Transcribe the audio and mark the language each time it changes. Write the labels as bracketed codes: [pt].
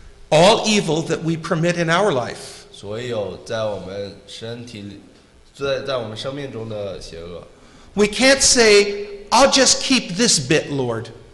[en] All evil that we permit in our life. [zh] 所有在我们身体里，在我们生命中的邪恶。 [en] We can't say, "I'll just keep this bit, Lord."